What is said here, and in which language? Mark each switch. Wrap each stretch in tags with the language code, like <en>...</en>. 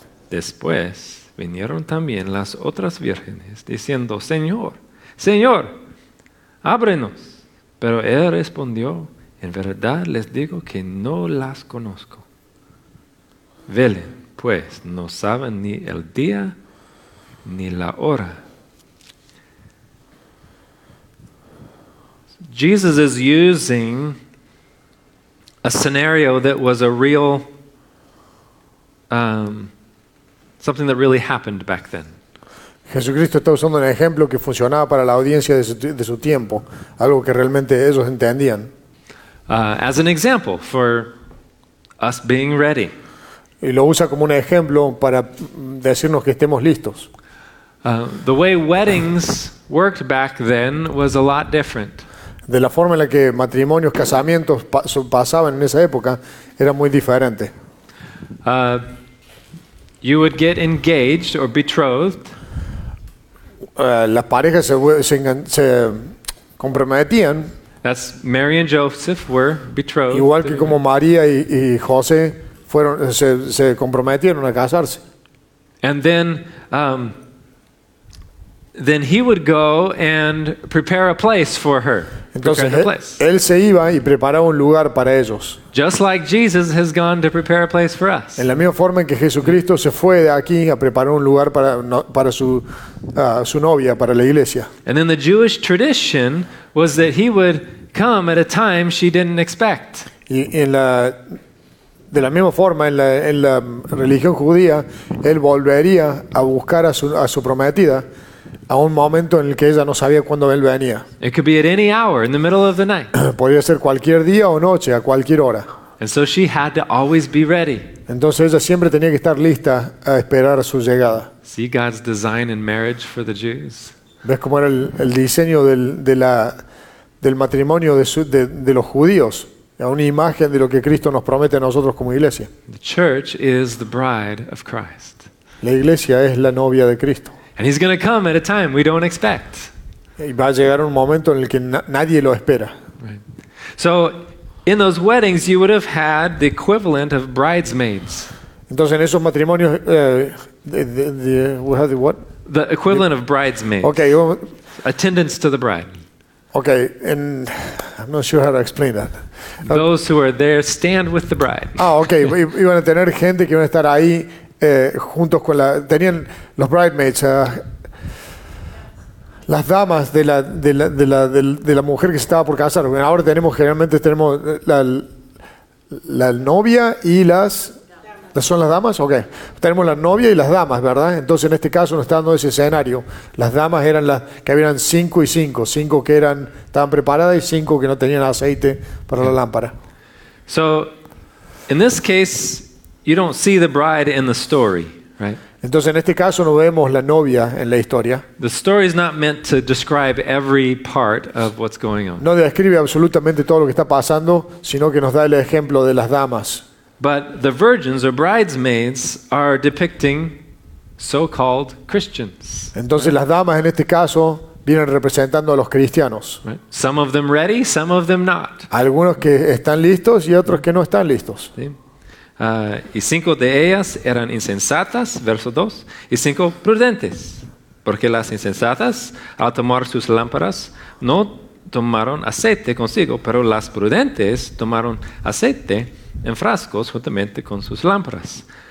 <es>Después vinieron también las otras vírgenes diciendo, Señor, Señor, ábrenos. Pero él respondió, en verdad les digo que no las conozco. Velen. Pues no saben ni el día ni la hora.</es> <en>Jesus is using a scenario that was a real something that really happened back then.</en> <es>Jesucristo está usando un ejemplo que funcionaba para la audiencia de su tiempo, algo que realmente ellos entendían.</es> <en>As an example for us being ready.</en> <es>Y lo usa como un ejemplo para decirnos que estemos listos.</es> <en>The way weddings worked back then was a lot different.</en> <es>De la forma en la que matrimonios, casamientos pasaban en esa época era muy diferente.</es> <en>You would get engaged or betrothed.</en> <es>Las parejas se comprometían.</es> <en>That's Mary and Joseph were betrothed.</en> <es>Igual que como María y José. Se comprometieron a casarse.</es> <en>And then he would go and prepare a place for her.</en> <es>Entonces él se iba y preparaba un lugar para ellos.</es> <en>Just like Jesus has gone to prepare a place for us.</en> <es>En la misma forma en que Jesucristo se fue de aquí a preparar un lugar para su novia, para la iglesia.</es> <en>And then the Jewish tradition was that he would come at a time she didn't expect.</en> <es>Y en la De la misma forma, en la religión judía, él volvería a buscar a su prometida a un momento en el que ella no sabía cuándo él venía.</es> <en>It could be at any hour in the middle of the night.</en> <es>Podría ser cualquier día o noche, a cualquier hora.</es> <en>And so she had to always be ready.</en> <es>Entonces ella siempre tenía que estar lista a esperar a su llegada.</es> <en>See God's design in marriage for the Jews.</en> <es>¿Ves cómo era el diseño del matrimonio de los judíos? A una imagen de lo que Cristo nos promete a nosotros como iglesia.</es> <en>The church is the bride of Christ.</en> <es>La iglesia es la novia de Cristo.</es> <en>And he's going to come at a time we don't expect.</en> <es>Y va a llegar un momento en el que nadie lo espera.</es> <en>Right. So in those weddings you would have had the equivalent of bridesmaids.</en> <es>Entonces en esos matrimonios</es> <en>the equivalent of bridesmaids. Okay, attendance to the bride. Okay, and I'm not sure how to explain that. Those who are there stand with the bride. Ah, okay.</en> <es>Iban a tener gente que iba a estar ahí juntos con la. Tenían los bridesmaids, las damas de la mujer que se estaba por casar. Bueno, ahora tenemos generalmente tenemos la novia y las ¿Son las damas? Ok. Tenemos la novia y las damas, ¿verdad? Entonces, en este caso, nos está dando ese escenario. Las damas eran las que habían cinco y cinco. Cinco que eran, estaban preparadas y cinco que no tenían aceite para la lámpara.</es> <en>So, in this case, you don't see the bride in the story, right?</en> <es>Entonces, en este caso, no vemos la novia en la historia.</es> <en>The story is not meant to describe every part of what's going on.</en> <es>No describe absolutamente todo lo que está pasando, sino que nos da el ejemplo de las damas.</es> <en>But the virgins or bridesmaids are depicting so-called Christians.</en> <es>Entonces, las damas en este caso vienen representando a los cristianos.</es> <en>Right. Some of them ready, some of them not.</en> <es>Algunos que están listos y otros que no están listos. Sí. Y cinco de ellas eran insensatas, verso 2, y cinco prudentes, porque las insensatas, al tomar sus lámparas, no tomaron aceite consigo, pero las prudentes tomaron aceite en frascos juntamente con sus lámparas.</es>